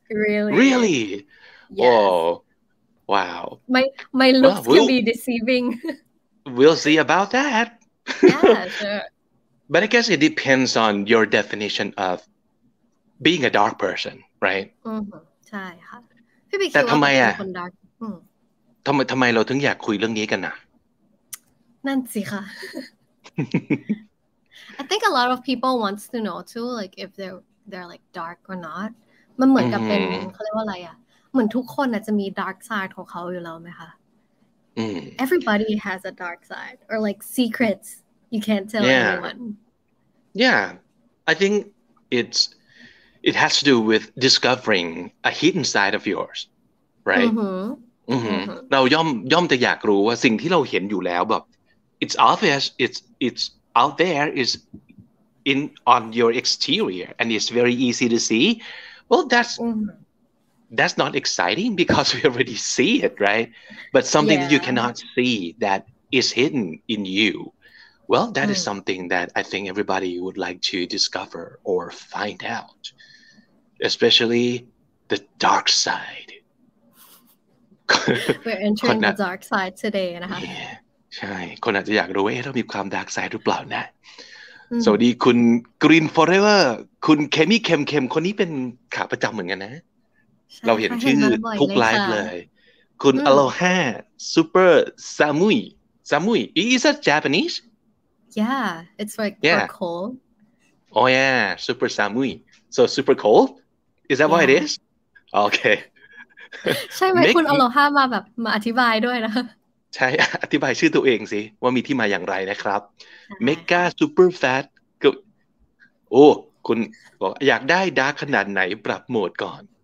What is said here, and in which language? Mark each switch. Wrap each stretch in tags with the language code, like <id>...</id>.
<en>Yes. Whoa. Wow. My looks can be deceiving. We'll see about that. Yeah, sure. But I guess it depends on your definition of being a dark person, right?</en> <th>Mm-hmm. ใช่ค่ะ พี่บิ๊กคิดว่าเป็นคนดาร์ก ทำไมเราถึงอยากคุยเรื่องนี้กันนะ นั่นสิค่ะ</th> <en>I think a lot of people wants to know too, like if they're like dark or not.</en> <th>มันเหมือนกับเป็นเขาเรียกว่าอะไรอ่ะเหมือนทุกคนน่ะจะมี dark side ของเขาอยู่แล้วมั้ยคะ</th> <en>Everybody has a dark side or like secrets you can't tell anyone. Yeah. I think it has to do with discovering a hidden side of yours. Right?</en> <th>เราย่อมจะอยากรู้ว่าสิ่งที่เราเห็นอยู่แล้วแบบ</th> <en>it's obvious it's out there is in on your exterior and it's very easy to see. Well, that'sThat's not exciting because we already see it, right? But something that you cannot see that is hidden in you. Well, that is something that I think everybody would like to discover or find out. Especially the dark side. We're entering the dark side today.</en> <th>Yeah, ใช่ คนอาจจะอยากรู้ว่าเรามีความ dark side หรือเปล่านะ สวัสดีคุณ Green Forever คุณ Kemi Kem คนนี้เป็นขาประจำเหมือนกันนะเราเห็นชื่อทุกไลฟ์เลยคุณอโลฮาซูเปอร์ซามุยซามุย</th> <en>is that Japanese yeah it's like yeah. for cold oh yeah super samui so super cold is that what it is okay</en> <th>ใช่ไหมคุณอโลฮามาแบบมาอธิบายด้วยนะ ใช่อธิบายชื่อตัวเองสิว่ามีที่มาอย่างไรนะครับเมกาซูเปอร์แฟตโอ้คุณบอกอยากได้ดาร์คขนาดไหนปรับโหมดก่อน</th>